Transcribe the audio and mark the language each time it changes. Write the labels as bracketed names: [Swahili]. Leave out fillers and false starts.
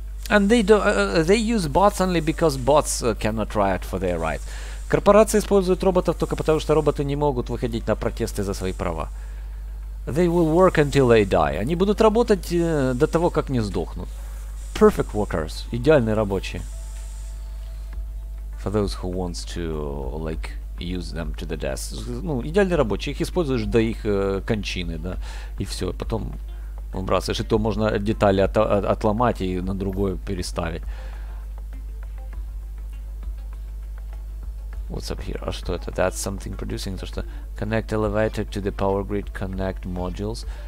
[English] And they do, they use bots only because bots cannot riot for their rights. [Russian] Корпорации используют роботов только потому, что роботы не могут выходить на протесты за свои права. [English] They will work until they die. [Russian] Они будут работать до того, как не сдохнут. [English] Perfect workers. [Russian] Идеальные рабочие. [English] For those who wants to, like, use them to the death. [Russian] Ну, идеальные рабочие. Их используешь до их кончины, да. И все. Потом выбрасываешь. И то можно детали отломать и на другое переставить. [English] What's up here? [Russian] А что это? [English] That's something producing. [Russian] То, что [English] connect elevator to the power grid, connect modules.